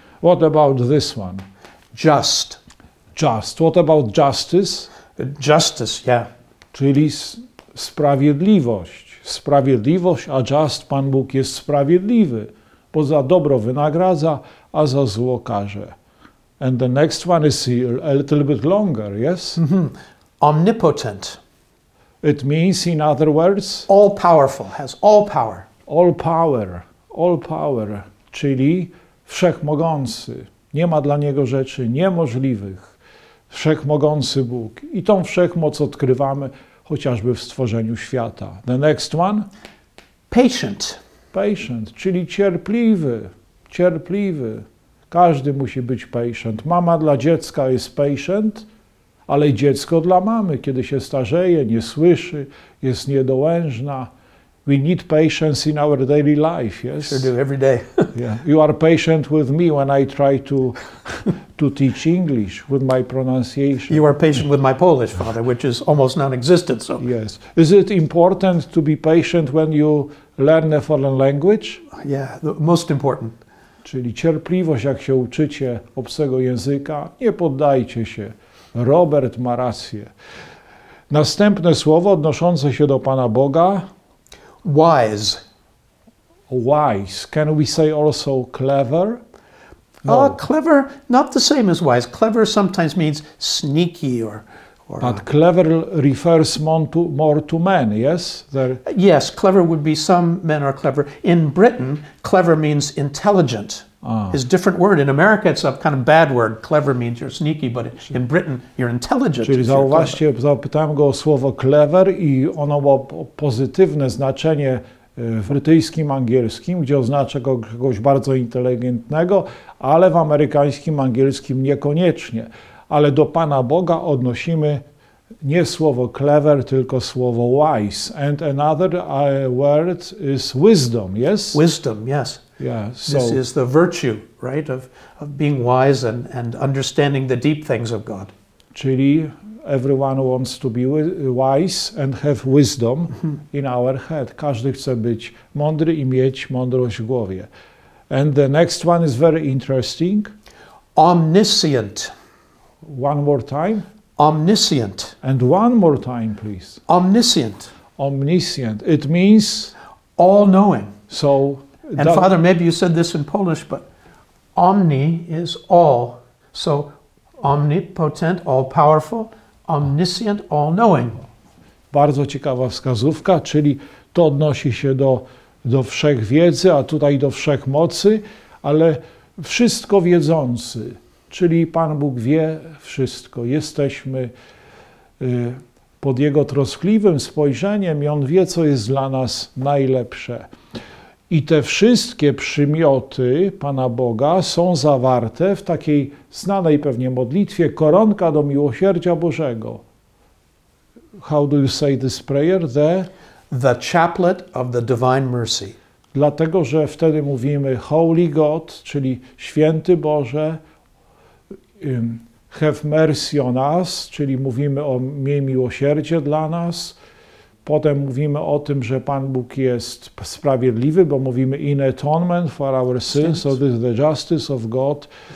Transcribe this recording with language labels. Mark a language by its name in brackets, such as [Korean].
[English] What about this one? Just. Just. What about justice? Justice, yeah. [Polish] Czyli sprawiedliwość. Sprawiedliwość, a just, Pan Bóg jest sprawiedliwy, bo za dobro wynagradza, a za zło karze. [English] And the next one is a little bit longer, yes? Mm-hmm. Omnipotent. It means, in other words? All-powerful, has all power. All-power, all-power, [Polish] czyli wszechmogący. Nie ma dla niego rzeczy niemożliwych. Wszechmogący Bóg. I tą wszechmoc odkrywamy chociażby w stworzeniu świata. [English] The next one? Patient. [Polish] Patient, czyli cierpliwy, cierpliwy. Każdy musi być patient. Mama dla dziecka jest patient, ale dziecko dla mamy, kiedy się starzeje, nie słyszy, jest niedołężna. [English] We need patience in our daily life, yes? Sure do, every day. Yeah. You are patient with me when I try to teach English with my pronunciation. You are patient with my Polish father, which is almost non-existent, so. Yes. Is it important to be patient when you learn a foreign language? Yeah, the most important. [Polish] Czyli cierpliwość, jak się uczycie obcego języka, nie poddajcie się. Robert ma rację. Następne słowo odnoszące się do Pana Boga. [English] Wise. Wise. Can we say also clever? No. Clever, not the same as wise. Clever sometimes means sneaky or Or, but clever refers more to men, yes? Yes, clever would be some men are clever. In Britain, clever means intelligent. Ah. It's a different word. In America, it's a kind of bad word. Clever means you're sneaky, but in Britain, you're intelligent. [Polish] Czyli zauważcie, zapytałem go o słowo clever i ono ma pozytywne znaczenie w brytyjskim angielskim, gdzie oznacza kogoś bardzo inteligentnego, ale w amerykańskim angielskim niekoniecznie. Ale do Pana Boga odnosimy nie słowo clever, tylko słowo wise. [English] And another word is wisdom, yes? Wisdom, yes. Yeah, so this is the virtue, right, of being wise and understanding the deep things of God. Czyli everyone wants to be wise and have wisdom in our head. [Polish] Każdy chce być mądry i mieć mądrość w głowie. [English] And the next one is very interesting. Omniscient. One more time. Omniscient. And one more time, please. Omniscient. Omniscient. It means all knowing. So. And that, Father, maybe you said this in Polish, but omni is all. So omnipotent, all powerful, omniscient, all knowing. [Polish] Bardzo ciekawa wskazówka, czyli to odnosi się do wszechwiedzy, a tutaj do wszechmocy, ale wszystko wiedzący. Czyli Pan Bóg wie wszystko. Jesteśmy pod Jego troskliwym spojrzeniem i On wie, co jest dla nas najlepsze. I te wszystkie przymioty Pana Boga są zawarte w takiej znanej pewnie modlitwie koronka do miłosierdzia Bożego. [English] How do you say this prayer? The chaplet of the divine mercy. [Polish] Dlatego, że wtedy mówimy [English] Holy God, [Polish] czyli Święty Boże, [English] have mercy on us, [Polish] czyli mówimy o miej miłosierdzie dla nas. Potem mówimy o tym, że Pan Bóg jest sprawiedliwy, bo mówimy [English] in atonement for our sins, so this is the justice of God.